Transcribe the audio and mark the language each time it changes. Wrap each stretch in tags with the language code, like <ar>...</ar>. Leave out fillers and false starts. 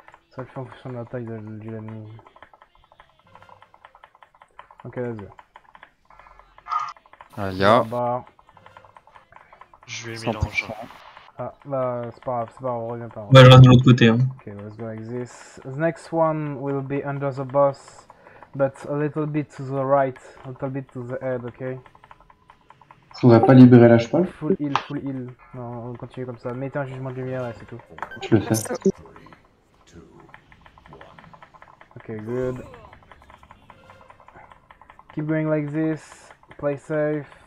<fr>Ça le fait en fonction de la taille de l'ennemi. Ok, vas-y. Ah, y'a. Je vais mélanger. Ah, là, c'est pas grave, on revient pas. Bah, je reste de l'autre côté. Hein.</fr> <en>Ok, let's go like this. The next one will be under the boss, but a little bit to the right, a little bit to the head, ok?</en> <fr>Faudrait pas libérer la cheval. Full heal, non, on continue comme ça. Mettez un jugement de lumière, là, c'est tout. Je le fais.</fr> <en>Ok, good. Keep going like this. Play safe.</en>